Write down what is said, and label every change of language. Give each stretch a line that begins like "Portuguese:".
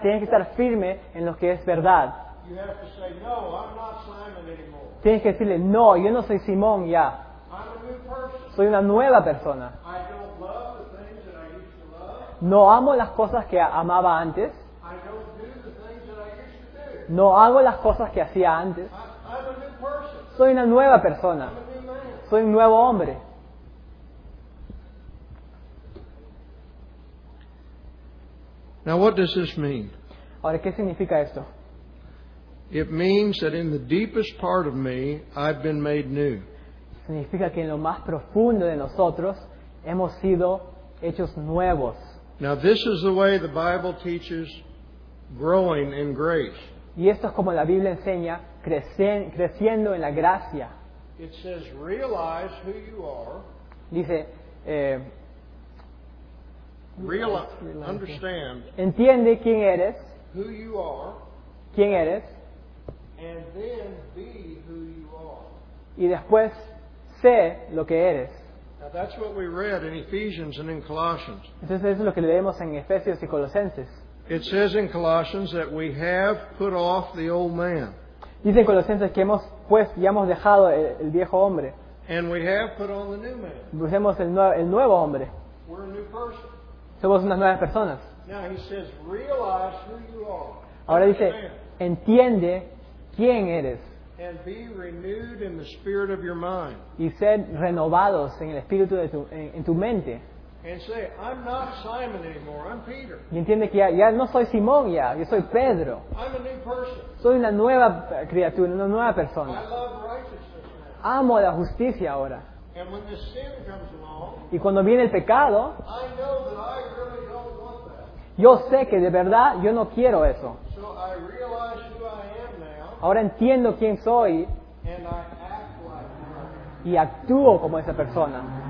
Spanish: tienes que estar firme en lo que es verdad.
English: You have to say, "No, I'm not Simon anymore."
Spanish: Tienes que decirle, "No, yo no soy Simón ya.
English: I'm a new person.
Spanish: Soy una nueva persona.
English: I don't love the things that I used to love.
Spanish: No amo las cosas que amaba antes.
English: I don't do the things that I used to do.
Spanish: No hago las cosas que hacía antes.
English: I'm a new person.
Spanish: Soy una nueva persona.
English: I'm a new man.
Spanish: Soy un nuevo hombre."
English: Now, what does this mean?
Spanish: Ahora, ¿qué significa esto?
English: It means that in the deepest part of me, I've been made new.
Spanish: Significa que en lo más profundo de nosotros hemos sido hechos nuevos.
English: Now, this is the way the Bible teaches growing in grace.
Spanish: Y esto es como la Biblia enseña creciendo en la gracia.
English: It says, "Realize who you are."
Spanish: Dice.
English: Realize, understand.
Spanish: Entiende quién eres.
English: Who you are.
Spanish: Quién eres.
English: And then be who you are.
Spanish: Y después sé lo que eres.
English: Now that's what we read in Ephesians and in Colossians.
Spanish: Entonces eso es lo que leemos en Efesios y Colosenses.
English: It says in Colossians that we have put off the old man.
Spanish: Dice en Colosenses que hemos ya hemos dejado el viejo hombre.
English: And we have put on the new man.
Spanish: Pusemos el nuevo hombre.
English: We're a new person.
Spanish: Somos unas nuevas personas.
English: Now he says, "Realize who you are."
Spanish: Ahora dice, entiende quién eres.
English: And be renewed in the spirit of your mind.
Spanish: Y ser renovados en el espíritu de en tu mente.
English: And say, "I'm not Simon anymore, I'm Peter."
Spanish: Y entiende que ya no soy Simón ya, yo soy Pedro.
English: I'm a new person.
Spanish: Soy una nueva criatura, una nueva persona.
English: I love righteousness now.
Spanish: Amo la justicia ahora.
English: And when the sin comes along,
Spanish: y cuando viene el pecado,
English: I know that I really don't want that.
Spanish: Yo sé que de verdad yo no quiero eso.
English: So I realize who I am now.
Spanish: Ahora entiendo quién soy.
English: And I act like that.
Spanish: Y actúo como esa persona.